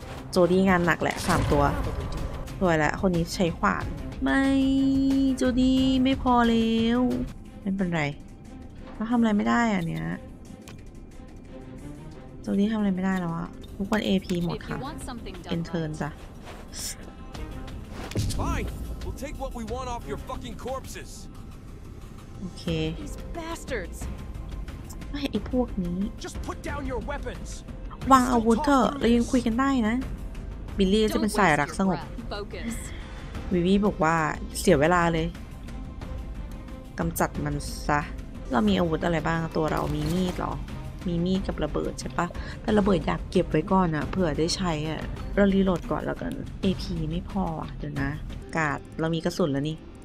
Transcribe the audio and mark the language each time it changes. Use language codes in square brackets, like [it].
[th] โจดี้งานหนักแหละ3ตัวสวยแล้วคนนี้ใช้ขวานไม่โจดี้ไม่พอแล้วไม่เป็นไรเราทำอะไรไม่ได้อ่ะเนี้ยโจดี้ทำอะไรไม่ได้แล้วอ่ะทุกคน AP หมดค่ะเอ็นเทิร์นจ้ะ [en] Fine. We'll take what we want off your fucking corpses. Okay. These bastards. [th] ไอ้พวกนี้ [en] Just put down your weapons. [th] วางอาวุธเถอะเรายังคุยกันได้นะบิลลี่จะเป็นสายรักสงบวิวี่บอกว่าเสียเวลาเลยกำจัดมันซะเรามีอาวุธอะไรบ้างตัวเรามีมีดหรอมีมีดกับระเบิดใช่ปะแต่ระเบิดอยากเก็บไว้ก่อนอะเผื่อได้ใช้อะเรารีโหลดก่อนแล้วกัน AP ไม่พออ่ะเดี๋ยวนะกาดเรามีกระสุนแล้วนี่